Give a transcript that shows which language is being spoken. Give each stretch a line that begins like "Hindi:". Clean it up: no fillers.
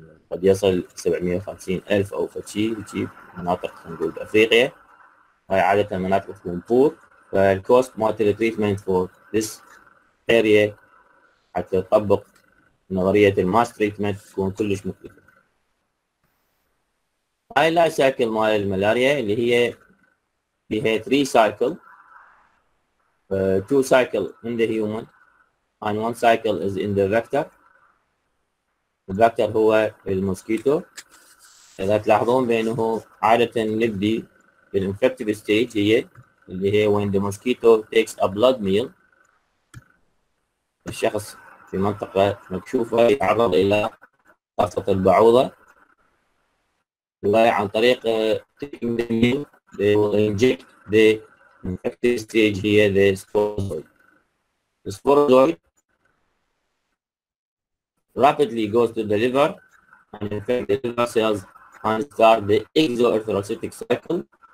Arabic: قد يصل 750,000 او فتشي بتشي مناطق خلينا نقول بافريقيا هاي عادة مناطق تكون بور فالكوست مالت التريتمنت فور ذيس اريا حتى تطبق نظرية الماس تريتمنت تكون كلش مكلفة هاي اللايف سايكل مال الملاريا اللي هي
English: we have three cycle, two cycle in the human, and one cycle is in the vector. The vector هو المسكيتو.
Arabic: إذا تلاحظون بأنه عادة نبدي بالinfective stage هي اللي هي when the mosquito takes a blood meal. الشخص في منطقة مكشوفة يتعرض إلى قصة البعوضة.
English: عن طريق taking the meal they will inject the infective stage here the sporozoid. The sporozoid rapidly goes to the liver and infect the liver cells and start the exoerythrocytic cycle.